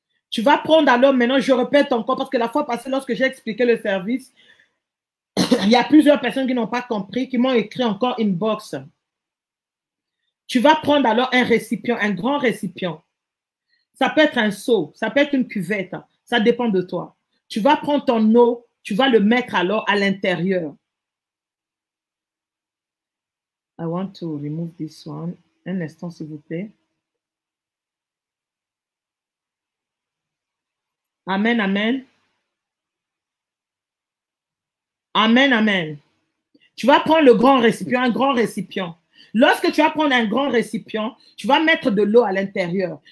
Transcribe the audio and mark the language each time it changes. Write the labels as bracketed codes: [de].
[fr] Tu vas prendre alors maintenant, je répète encore, parce que la fois passée, lorsque j'ai expliqué le service, il y a plusieurs personnes qui n'ont pas compris, qui m'ont écrit encore inbox. Tu vas prendre alors un récipient, un grand récipient. Ça peut être un seau, ça peut être une cuvette, ça dépend de toi. Tu vas prendre ton eau, tu vas le mettre alors à l'intérieur. [en] I want to remove this one. [fr] Un instant, s'il vous plaît. Amen, amen. Amen, amen. Tu vas prendre le grand récipient, un grand récipient. Lorsque tu vas prendre un grand récipient, tu vas mettre de l'eau à l'intérieur.